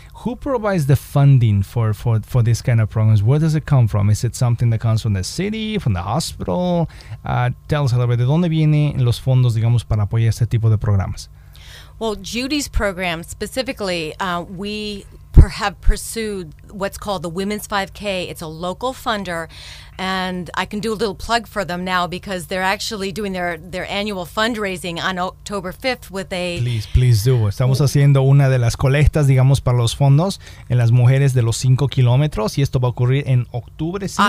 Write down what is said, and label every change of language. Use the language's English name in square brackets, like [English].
[English] Who provides the funding for this kind of programs? Where does it come from? Is it something that comes from the city, from the hospital? Tell us a little bit, [Spanish] ¿de dónde vienen los fondos, digamos, para apoyar este tipo de programas? [English] Well, Judy's program, specifically, we have pursued what's called the Women's 5K. It's a local funder, and I can do a little plug for them now because they're actually doing their annual fundraising on October 5th with a... Please do. [Spanish] Estamos haciendo una de las colectas, digamos, para los fondos en las mujeres de los 5 kilómetros, y esto va a ocurrir en octubre 5.